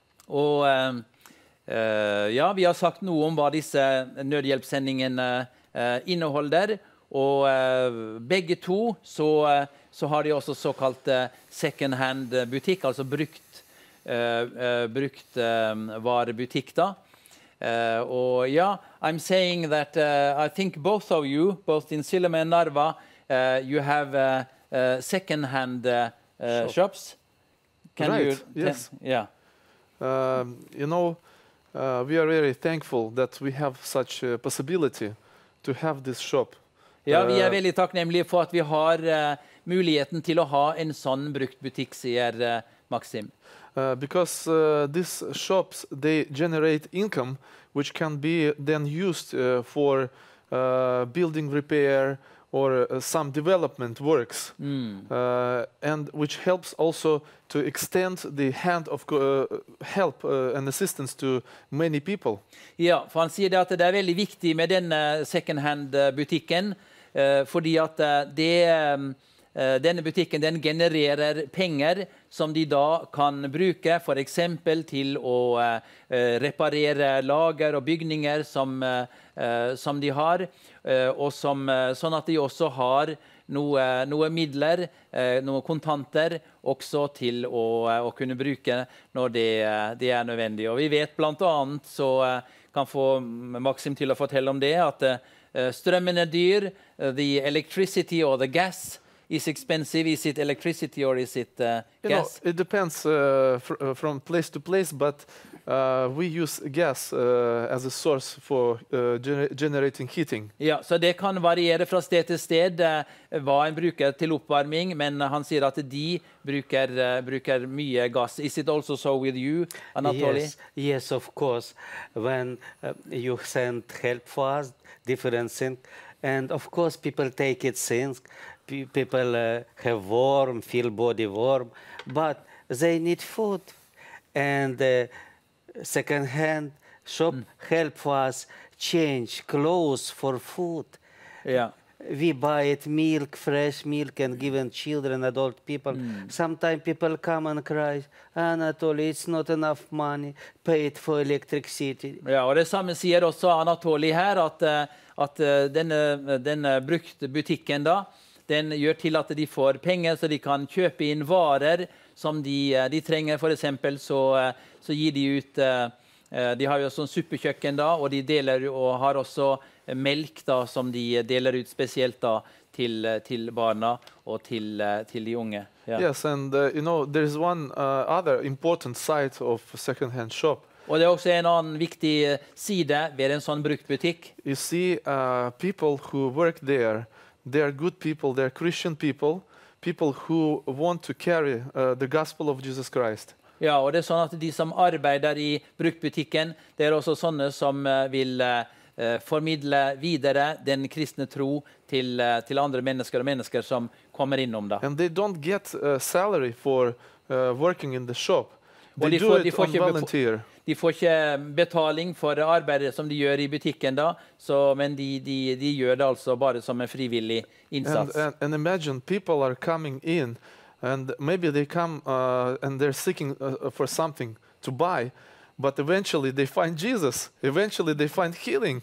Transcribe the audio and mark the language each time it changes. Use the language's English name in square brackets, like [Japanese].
[Norwegian] Og ja, vi har sagt noe om hva disse nødhjelpssendingene inneholder, og begge to så har de også såkalt second hand butikk, altså brukt varebutikk da. [English] Og ja, I'm saying that I think both of you, both in Sillamäe and Narva, you have second hand shops. Can right. you yes. yeah. You know, we are very thankful that we have such a possibility to have this shop. [Norwegian] Ja, vi veldig takknemlige for at vi har muligheten til å ha en sånn brukt butikk, sier Maxim. [English] Because these shops, they generate income which can be then used for building repair or some development works. Mm. And which helps also to extend the hand of help and assistance to many people. [Norwegian] Ja, for han sier at det veldig viktig med denne second hand butikken, fordi at denne butikken den genererer penger som de da kan bruke for eksempel til å reparere lager og bygninger som de har, og som, sånn at de også har noe midler, noen kontanter også til å kunne bruke når det er nødvendig. Og vi vet blant annet, så kan få Maxim til å fortelle om det, at strømmen dyr, [English] the electricity or the gas is expensive. Is it electricity or is it gas? Know, it depends from place to place, but we use gas as a source for generating heating. [Norwegian] Ja, så det kan variere fra sted til sted hva en bruker til oppvarming, men han sier at de bruker mye gas. [English] Is it also so with you, Anatoly? Yes, of course. When you send help for us, different things, and of course people take it since people have warm, feel body warm, but they need food. And second-hand shop help for us change clothes for food. Yeah. We buy it milk, fresh milk, and given children, adult people. Mm. Sometimes people come and cry, Anatoly, it's not enough money paid for electricity. [Norwegian] Ja, og det samme sier også Anatoly her, at denne brukte butikken da, den gjør til at de får penger så de kan kjøpe inn varer som de trenger. For eksempel så gir de ut, de har jo også en superkjøkken da, og de deler og har også melk da, som de deler ut spesielt da til barna og til de unge. Ja. [English] Yes, and you know, there is one other important side of second hand shop. [Norwegian] Og det er også en annen viktig side ved en sånn brukt butikk. [English] You see, people who work there, they are good people, they are Christian people, people who want to carry the gospel of Jesus Christ. [Norwegian] Ja, og det er sånn at de som arbeider i bruktbutikken, det er også sånne som vil formidle videre den kristne tro til andre mennesker og mennesker som kommer innom det. [English] And they don't get a salary for working in the shop. They do it on volunteer. [Norwegian] De får ikke betaling for arbeidet som de gjør i butikken da, så, men de gjør det altså bare som en frivillig innsats. [English] And imagine people are coming in and maybe they come and they're seeking for something to buy, but eventually they find Jesus, eventually they find healing.